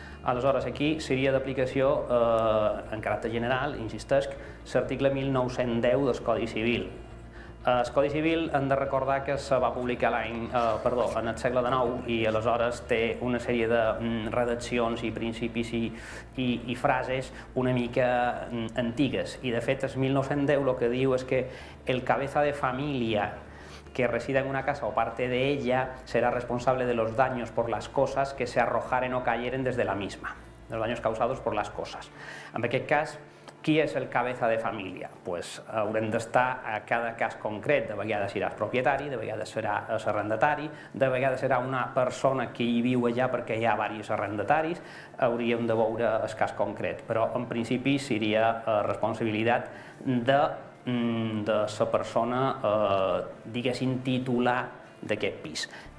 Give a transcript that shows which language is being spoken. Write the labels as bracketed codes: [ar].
[ca] Aleshores, aquí seria d'aplicació, en caràcter general, insistesc, l'article 1910 del Codi Civil. El Codi Civil, hem de recordar que se va publicar en el segle XIX i aleshores té una sèrie de redaccions i principis i frases una mica antigues. I de fet, el 1910 el que diu és que [es] el cabeza de família que resida en una casa o parte de ella será responsable de los daños por las cosas que se arrojaren o cayeren desde la misma. Los daños causados por las cosas. [ca] En aquest cas, qui és el cabeza de família? Pues haurem d'estar a cada cas concret. De vegades serà el propietari, de vegades serà l'arrendatari, de vegades serà una persona que hi viu allà perquè hi ha diversos arrendataris. Hauríem de veure el cas concret. Però en principi seria responsabilitat de la persona, diguéssim, titular d'aquest pis.